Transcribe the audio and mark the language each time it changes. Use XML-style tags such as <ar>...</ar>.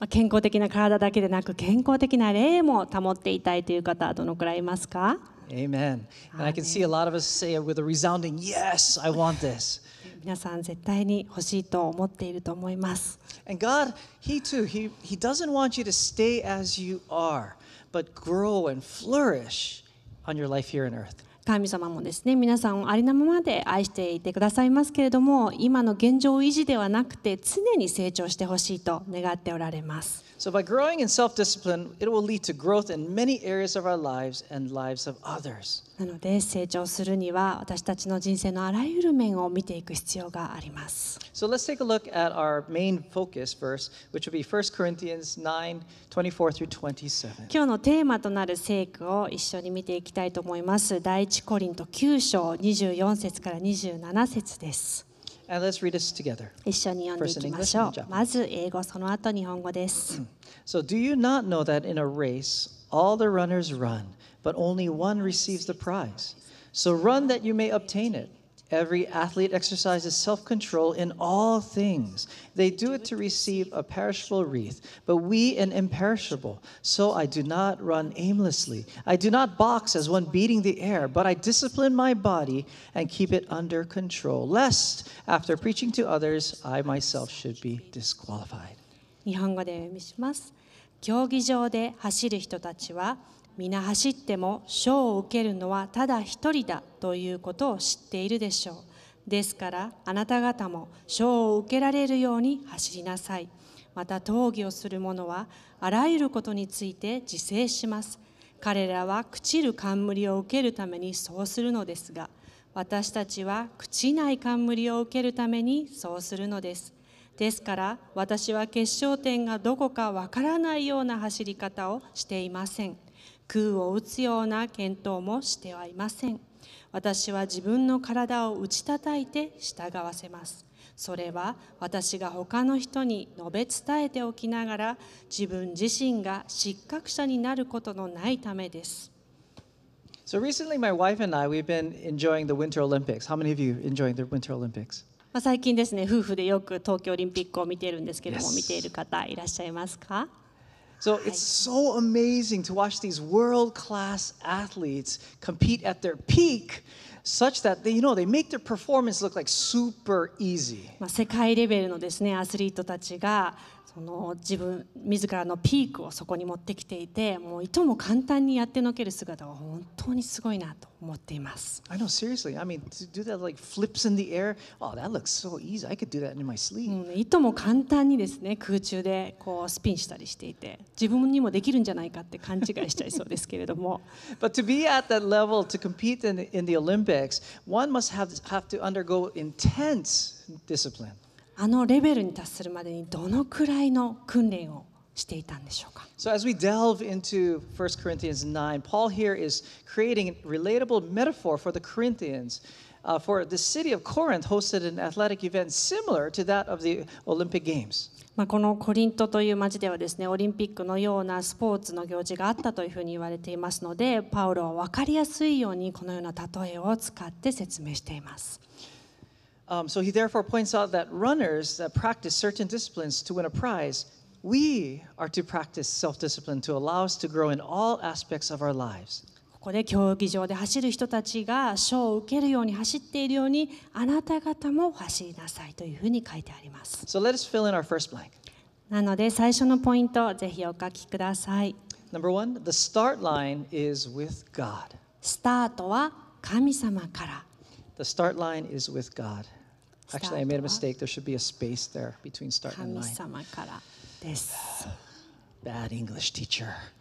<ja>健康的な体だけでなく健康的な霊も保っていたいという方どのくらいいますか。</ja> <en>Amen. And I can see a lot of us say with a resounding yes, I want this.</en> <ja>皆さん絶対に欲しいと思っていると思います。</ja> <en>And God, He too, He doesn't want you to stay as you are. But grow and flourish on your life here on earth.</en> <ja>神様もですね、皆さんをありのままで愛していてくださいますけれども、今の現状維持ではなくて常に成長してほしいと願っておられます。</ja> <en>So by growing in self-discipline, it will lead to growth in many areas of our lives and lives of others.</en> <ja>なので成長するには私たちの人生のあらゆる面を見ていく必要があります。</ja> <en>So let's take a look at our main focus verse, which will be 1 Corinthians 9:24-27.</en> <ja>今日のテーマとなる聖句を一緒に見ていきたいと思います。第一コリント9章24節から27節です。</ja> <en>And let's read this together.</en> <ja>一緒に読んでいきましょう。まず英語、その後日本語です。</ja> <en>So do you not know that in a race, all the runners run, but only one receives the prize? So run that you may obtain it. Every athlete exercises self-control in all things. They do it to receive a perishable wreath, but we an imperishable. So I do not run aimlessly. I do not box as one beating the air, but I discipline my body and keep it under control, lest after preaching to others, I myself should be disqualified.</en> <ja>日本語で読みします。競技場で走る人たちは、皆走っても賞を受けるのはただ一人だということを知っているでしょう。ですからあなた方も賞を受けられるように走りなさい。また討議をする者はあらゆることについて自制します。彼らは朽ちる冠を受けるためにそうするのですが、私たちは朽ちない冠を受けるためにそうするのです。ですから私は決勝点がどこかわからないような走り方をしていません。空を打つような検討もしてはいません。私は自分の体を打ち叩いて従わせます。それは私が他の人に述べ伝えておきながら自分自身が失格者になることのないためです。</ja> <en>So recently my wife and I, we've been enjoying the Winter Olympics. How many of you enjoying the Winter Olympics?</en> <ja>最近ですね、夫婦でよく東京オリンピックを見ているんですけれども、</ja> <en>yes.</en> <ja>見ている方いらっしゃいますか。</ja> <en>So it's so amazing to watch these world-class athletes compete at their peak, such that they, you know, they make their performance look like super easy.</en> <ja>世界レベルのですね、アスリートたちがその自分自らのピークをそこに持ってきていて、もういとも簡単にやってのける姿は本当にすごいなと思っています。</ja> <en>I know, seriously. I mean, to do that like flips in the air. Oh, that looks so easy. I could do that in my sleep.</en> <ja>いとも簡単にですね、空中でこうスピンしたりしていて、自分にもできるんじゃないかって勘違いしちゃいそうですけれども。</ja> <en>But to be at that level, to compete in the Olympics, one must have to undergo intense discipline.</en> <ja>あのレベルに達するまでにどのくらいの訓練をしていたんでしょうか。</ja> <en>So as we delve into 1 Corinthians 9, Paul here is creating a relatable metaphor for the Corinthians, for the city of Corinth hosted an athletic event similar to that of the Olympic Games.</en> <ja>まあこのコリントという町ではですね、オリンピックのようなスポーツの行事があったというふうに言われていますので、パウロは分かりやすいようにこのような例えを使って説明しています。</ja> <en>So he therefore points out that runners that practice certain disciplines to win a prize We are to practice self-discipline to allow us to grow in all aspects of our lives.</en> <ja>ここで競技場で走る人たちが賞を受けるように走っているようにあなた方も走りなさいというふうに書いてあります。</ja> <en>So let us fill in our first blank.</en> <ja>なので最初のポイントぜひお書きください。</ja> <en>Number one, the start line is with God.</en> <ja>スタートは神様から。</ja> <en>The start line is with God. Actually, I made a mistake. There should be a space there between start and line.</en> <ja>神様からです。</ja> <en>Bad English teacher.</en>